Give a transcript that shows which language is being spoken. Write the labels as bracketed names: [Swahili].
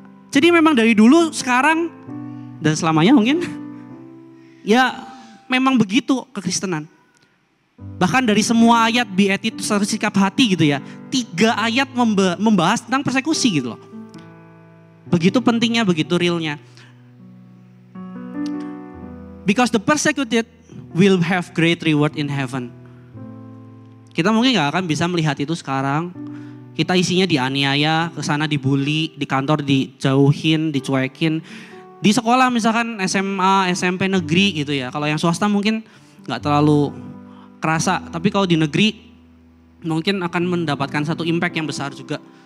[Indonesian] Jadi memang dari dulu, sekarang, dan selamanya mungkin, ya memang begitu kekristenan. Bahkan dari semua ayat, beatitude itu sikap hati gitu ya, 3 ayat membahas tentang persekusi gitu loh. Begitu pentingnya, begitu realnya. [English] Because the persecuted will have great reward in heaven. [Indonesian] Kita mungkin gak akan bisa melihat itu sekarang. Kita isinya dianiaya, kesana dibully, di kantor dijauhin, dicuekin. Di sekolah misalkan SMA, SMP, negeri gitu ya. Kalau yang swasta mungkin gak terlalu kerasa. Tapi kalau di negeri mungkin akan mendapatkan satu impact yang besar juga.